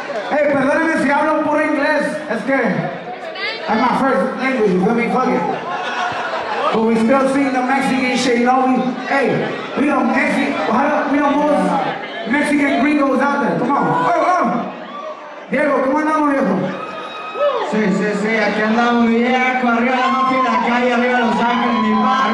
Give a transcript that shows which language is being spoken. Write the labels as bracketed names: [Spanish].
[Spanish] Hey, perdóneme si hablo puro inglés. Es que... [English] That's my first language, you feel me? Fuck it. But we still sing the Mexican shit, you know? Hey, we don't Mexican... We don't most Mexican gringos out there. Come on. Oh, oh. [Spanish] Diego, ¿cómo andamos, viejo? Sí, sí, sí, aquí andamos, mi viejo. Arriba la noche de la calle, arriba de Los Ángeles, mi madre.